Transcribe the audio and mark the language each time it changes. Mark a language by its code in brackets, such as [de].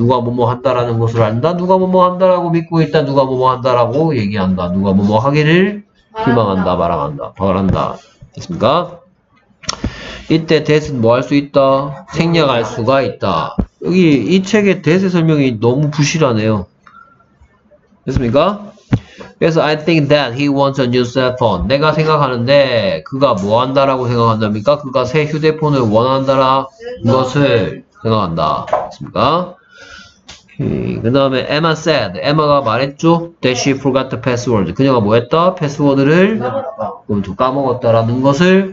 [ko] 누가 뭐뭐 한다라는 것을 안다. 누가 뭐뭐 한다라고 믿고 있다. 누가 뭐뭐 한다라고 얘기한다. 누가 뭐뭐 하기를 희망한다. 바라간다. 바란다. 됐습니까? 이때 that은 뭐 할 수 있다? 생략할 수가 있다. 여기 이 책의 that의 설명이 너무 부실하네요. 됐습니까? [en] 그래서 I think that he wants a new cell phone. [ko] 내가 생각하는데 그가 뭐 한다라고 생각한답니까? 그가 새 휴대폰을 원한다라 것을 생각한다. 됐습니까? 그 다음에 [en] Emma said. [ko] Emma가 말했죠? [en] That she forgot the password. [ko] 그녀가 뭐 했다? 패스워드를 까먹었다라는 것을.